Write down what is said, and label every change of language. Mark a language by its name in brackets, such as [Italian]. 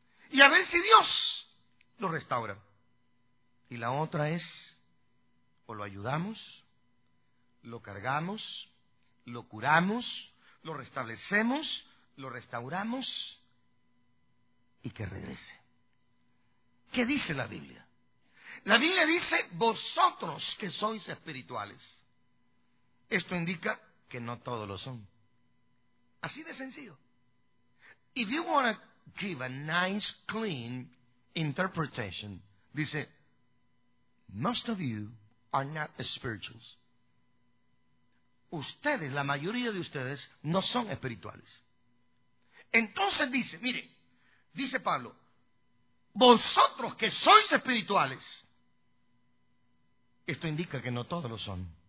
[Spanish] Y a ver si Dios lo restaura. Y la otra es, o lo ayudamos, lo cargamos, lo curamos, lo restablecemos, lo restauramos y que regrese. ¿Qué dice la Biblia? La Biblia dice, vosotros que sois espirituales. Esto indica que no todos lo son. Así de sencillo. [English] If you want to give a nice, clean interpretation, dice, most of you are not spirituals. [Spanish] ustedes, la mayoría de ustedes, no son espirituales. Entonces dice, mire, dice Pablo, vosotros que sois espirituales, esto indica que no todos lo son.